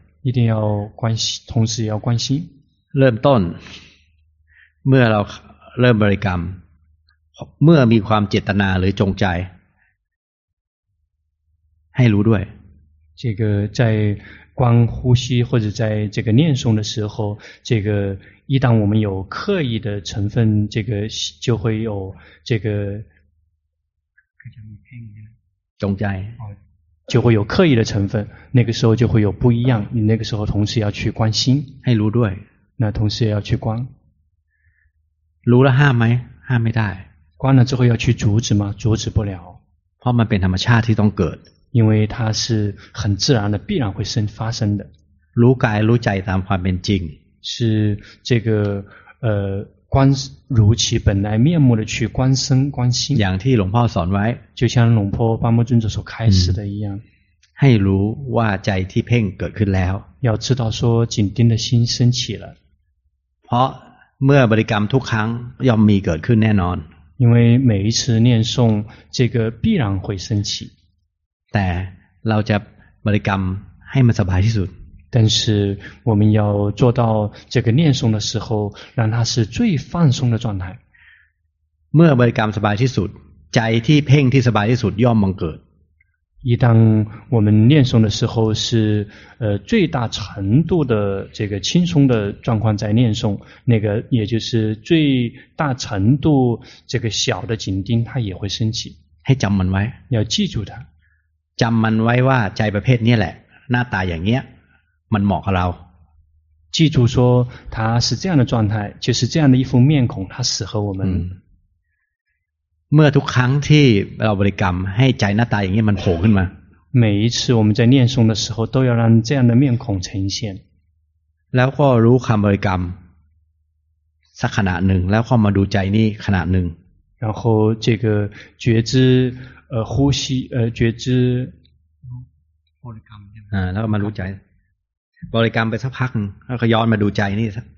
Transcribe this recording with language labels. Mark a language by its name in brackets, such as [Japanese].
[Chinese] 一定要关心同时要关心 [Thai] เริ่มต้นเมื่อเราเริ่มบริกรรมเมื่อมีความเจตนาหรือจงใจให้รู้ด้วย [Chinese] 这个在观呼吸或者在这个念诵的时候这个一旦我们有刻意的成分这个就会有这个 [Thai] จงใจ [Chinese] 就会有刻意的成分那个时候就会有不一样你那个时候同时要去观心 [Thai] ให้รู้ด้วย [Chinese] 那同时要去观 [Thai] รู้แล้วห้ามไหมห้ามไม่ได้ [Chinese] 关了之后要去阻止吗阻止不了 [Thai] เพราะมันเป็นธรรมชาติที่ต้องเกิด [Chinese] 因为它是很自然的必然会生发生的 [Thai] รู้กายรู้ใจตามความเป็นจริง [Chinese] 是这个观如其本来面目的去观身观心 [Thai] อย่างที่หลวงพ่อสอนไว้ [Chinese] 就像龙婆巴木尊者所开始的一样 [Thai] ให้รู้ว่าใจที่เพ่งเกิดขึ้นแล้ว [Chinese] 要知道说紧盯的心升起了 [Thai] เพราะเมื่อบริกรรมทุกครั้งย่อมมีเกิดขึ้นแน่นอน [Chinese] 因为每一次念诵这个必然会升起 [Thai] แต่เราจะบริกรรมให้มันสบายที่สุด [Chinese] 但是我们要做到这个念诵的时候让它是最放松的状态 [Thai] เมื่อบริกรรมสบายที่สุดใจที่เพ่งที่สบายที่สุดย่อมบังเกิด [Chinese] 一旦我们念诵的时候是最大程度的这个轻松的状况在念诵那个也就是最大程度这个小的紧盯它也会升起 [Thai] ให้จำมันไว้ [Chinese] 要记住它 [Thai] จำมันไว้ว่าใจประเภทนี้แหละหน้าตาอย่างเงี้ยมันเหมาะกับเรา [Chinese] 记住说它是这样的状态就是这样的一副面孔它适合我们 [Thai] เมื่อทุกครั้งที่เราบริกรรมให้ใจหน้าตาอย่างนี้มันโผล่ขึ้นมา [Chinese] 每一次我们在念诵的时候都要让这样的面孔呈现 [Thai] แล้วก็รู้คำบริกรรมสักขณะหนึ่งแล้วก็มาดูใจนี้ขณะหนึ่ง [Chinese] 然后这个觉知呼吸觉知 [Thai] บริกรรม แล้วมารู้ใจบริกรรมไปสักพักแล้วก็ย้อนมาดูใจนี้